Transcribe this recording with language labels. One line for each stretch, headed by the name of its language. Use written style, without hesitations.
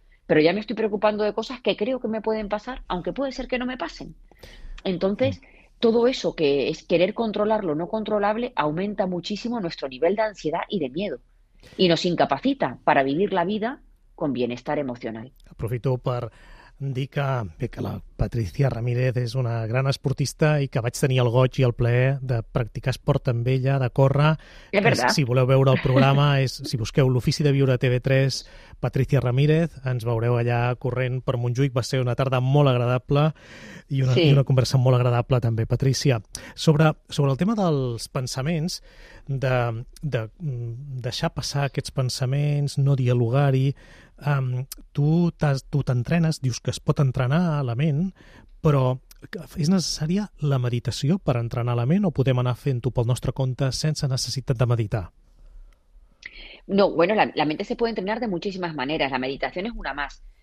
Spanish: Pero ya me estoy preocupando de cosas que creo que me pueden pasar, aunque puede ser que no me pasen. Entonces, todo eso que es querer controlar lo no controlable aumenta muchísimo nuestro nivel de ansiedad y de miedo y nos incapacita para vivir la vida con bienestar emocional.
Catalan: Aprofito per dir que la Patricia Ramírez és una gran esportista i que vaig tenir el goig i el plaer de practicar esport amb ella, de córrer,
Spanish: Es que si verdad.
Catalan: voleu veure el programa, és, si busqueu L'ofici de viure a TV3, Patricia Ramírez, ens veureu allà corrent per Montjuïc. Va ser una tarda molt agradable i una Sí. conversa molt agradable també, Patricia. Sobre el tema dels pensaments, de deixar passar aquests pensaments, no dialogar-hi, tu t'entrenes, dius que es pot entrenar a la ment, però és necessària la meditació per entrenar la ment o podem anar fent-ho pel nostre compte sense necessitat de meditar?
Spanish: No, bueno, la mente se puede entrenar de muchísimas maneras. La meditación es una más.